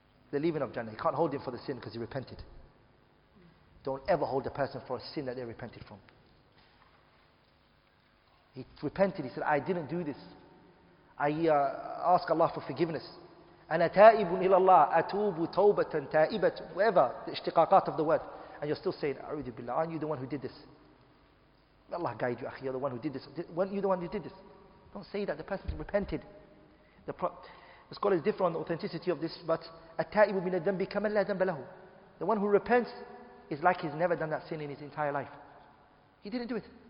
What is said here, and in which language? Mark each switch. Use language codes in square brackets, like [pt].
[en] The leaving of Jannah. He can't hold him for the sin because he repented. Don't ever hold a person for a sin that they repented from. He repented. He said, I didn't do this. I ask Allah for forgiveness. [ar] أَنَا تَائِبٌ إِلَى اللَّهِ أَتُوبُ تَوْبَةً تَائِبَةً, [en] whatever the [ar] اشتقاقات [en] of the word. And you're still saying, [ar] أَعُوذُ بِاللَّهِ, [en] aren't you the one who did this? May Allah guide you, أخي, you're the one who did this. Weren't you the one who did this? Don't say that. The person repented. The scholar is different on the authenticity of this, but [ar] أَتَائِبُ مِنَ الدَّنْبِ كَمَنْ لَا دَنْبَ لَهُ. [en] The one who repents is like he's never done that sin in his entire life. He didn't do it.